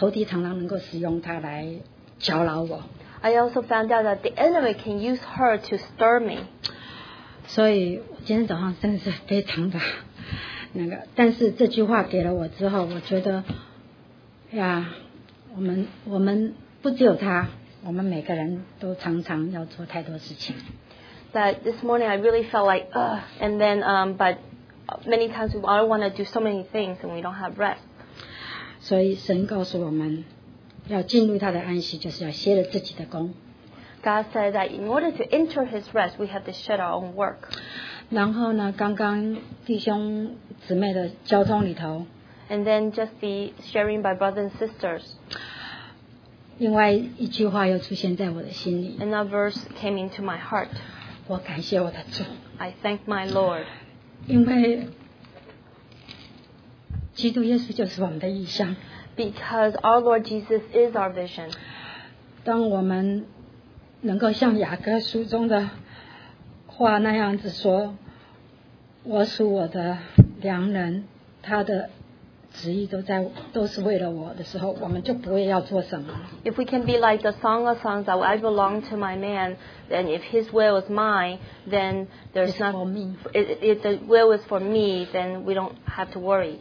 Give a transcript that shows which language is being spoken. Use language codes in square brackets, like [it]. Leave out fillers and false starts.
[zh] 那我自己也发现他常常能够就是说仇敌常常能够使用他来搅扰我。 [en] I also found out that the enemy can use her to stir me. [zh] 所以今天早上真的是非常的那个但是这句话给了我之后我觉得呀我们不只有他我们每个人都常常要做太多事情。 [en] that this morning I really felt like, ugh, and then, but many times we all want to do so many things and we don't have rest. [zh] 所以神告诉我们, 要进入他的安息, 就是要歇了自己的工。 [en] God said that in order to enter his rest, we have to shed our own work. [zh] 然后呢, 刚刚弟兄姊妹的交通里头, [en] and then just the sharing by brothers and sisters. [zh] 另外一句话又出现在我的心里, [en] another verse came into my heart. [zh] 我感谢我的主, [en] I thank my Lord. [zh] 因为基督耶稣就是我们的意象, [en] because our Lord Jesus is our vision. [zh] 当我们 能够像雅各书中的话那样子说，我属我的良人，他的旨意都在，都是为了我的时候，我们就不会要做什么。 [en] If we can be like the Song of Songs that I belong to my man, then if his will is mine, then there's not for me. If the will is for me, then we don't have to worry.